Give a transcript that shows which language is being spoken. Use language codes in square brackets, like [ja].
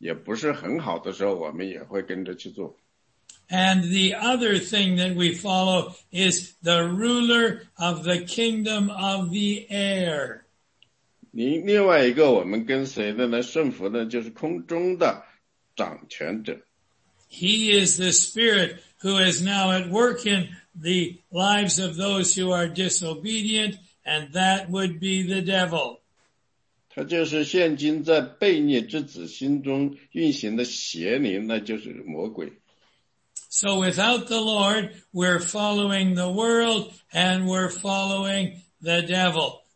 [zh] 通常呢，这个事情从逻辑上来说，也不是很好的时候，我们也会跟着去做。 [en] And the other thing that we follow is the ruler of the kingdom of the air. [zh] 另外一个我们跟随的呢，顺服的，就是空中的掌权者。 [en] He is the spirit who is now at work in the lives of those who are disobedient, and that would be the devil. [zh] 他就是现今在悖逆之子心中运行的邪灵，那就是魔鬼。 [en] So without the Lord, we're following the world and we're following the devil.